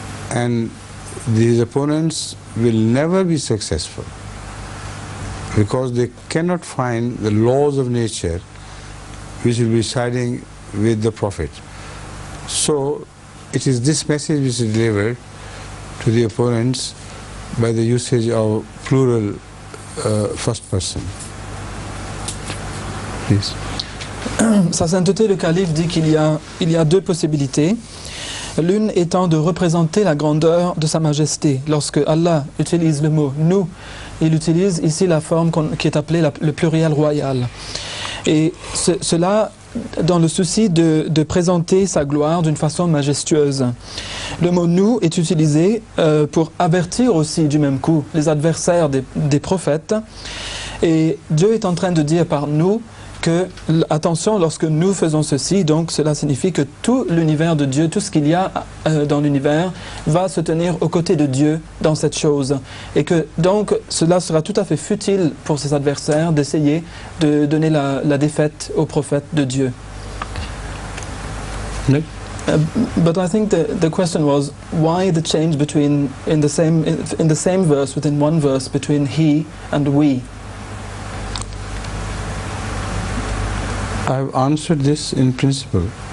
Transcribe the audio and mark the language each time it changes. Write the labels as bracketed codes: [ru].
[en] And these opponents will never be successful because they cannot find the laws of nature which will be siding with the prophet. So it is this message which is delivered to the opponents by the usage of plural first person. Please. [fr] Sa sainteté le calife dit qu'il y a, deux possibilités. L'une étant de représenter la grandeur de sa majesté. Lorsque Allah utilise le mot « nous », il utilise ici la forme qui est appelée le pluriel royal. Et cela dans le souci de présenter sa gloire d'une façon majestueuse. Le mot « nous » est utilisé pour avertir aussi du même coup les adversaires des prophètes. Et Dieu est en train de dire par « nous » que, attention, lorsque nous faisons ceci, donc cela signifie que tout l'univers de Dieu, tout ce qu'il y a dans l'univers, va se tenir aux côtés de Dieu dans cette chose. Et que donc cela sera tout à fait futile pour ses adversaires d'essayer de donner la défaite au prophète de Dieu. [en] No. But I think the question was, why the change between, in the same verse, within one verse, between he and we? I've answered this in principle.